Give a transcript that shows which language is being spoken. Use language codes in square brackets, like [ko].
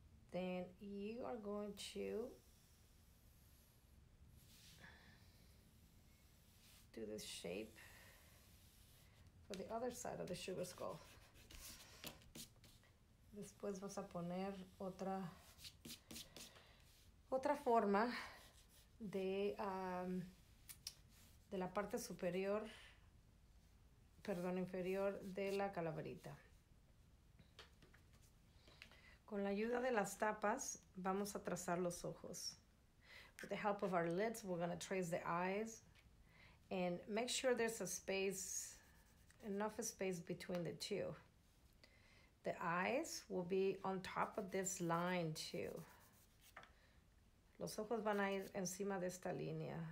[en] Then you are going to do this shape for the other side of the sugar skull. [es] Después vas a poner otra forma de la parte superior, perdón, inferior de la calaverita. Con la ayuda de las tapas, vamos a trazar los ojos. [en] With the help of our lids, we're going to trace the eyes. And make sure there's a space, enough space between the two. The eyes will be on top of this line too. [es] Los ojos van a ir encima de esta línea.